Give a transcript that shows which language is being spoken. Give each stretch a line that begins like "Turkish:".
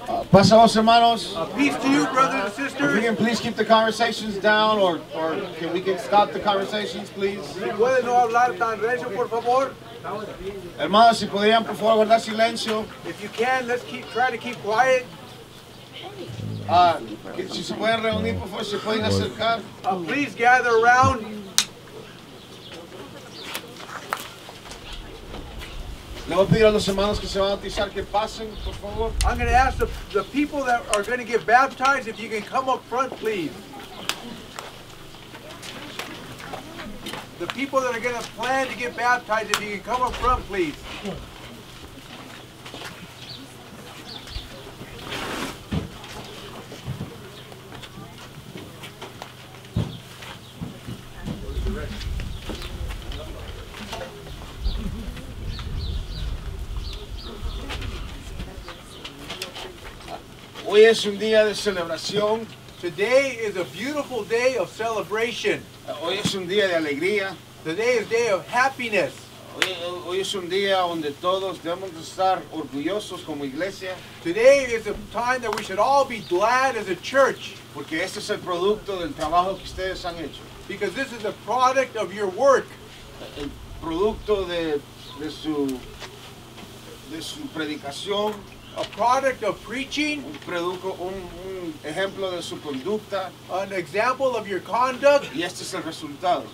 Spanish: Pasamos, hermanos.
English: Peace to you, brothers and sisters. If we can please keep the conversations down, or can we can stop the conversations, please?
Spanish: Puede no hablar tan recio, por favor. Hermanos, si podrían, por favor, guardar silencio.
English: If you can, let's try to keep quiet.
Spanish: Si se pueden reunir, por favor, se pueden acercar.
English: Please gather around.
Spanish: Le voy a pedir a los hermanos que se van a bautizar que pasen, por favor.
English: I'm going to ask the people that are going to get baptized if you can come up front, please. The people that are going to plan to get baptized, if you can come up front, please.
Spanish: Hoy es un día de celebración.
English: Today is a beautiful day of celebration.
Spanish: Hoy es un día de alegría.
English: Today is a day of happiness.
Spanish: Hoy es un día donde todos debemos estar orgullosos como iglesia.
English: Today is a time that we should all be glad as a church.
Spanish: Porque este es el producto del trabajo que ustedes han hecho.
English: Because this is a product of your work.
Spanish: El producto de su predicación.
English: A product of preaching,
Spanish: un ejemplo de su conducta,
English: an example of your conduct,
Spanish: y este es el resultado.